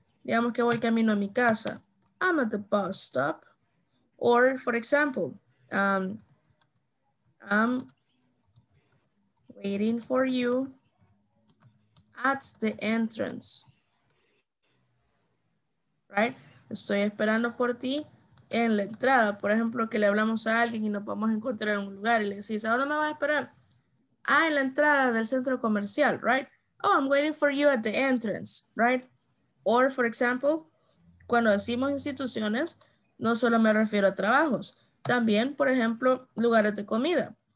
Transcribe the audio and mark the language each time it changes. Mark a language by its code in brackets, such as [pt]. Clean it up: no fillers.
[es] Digamos que voy camino a mi casa. [en] I'm at the bus stop. Or for example, I'm waiting for you at the entrance, right? [es] Estoy esperando por ti en la entrada. Por ejemplo, que le hablamos a alguien y nos vamos a encontrar en un lugar y le decís, ¿a dónde me vas a esperar? Ah, en la entrada del centro comercial, right? [en] Oh, I'm waiting for you at the entrance, right? Or, for example, [es] cuando decimos instituciones, no solo me refiero a trabajos, también, por ejemplo, lugares de comida.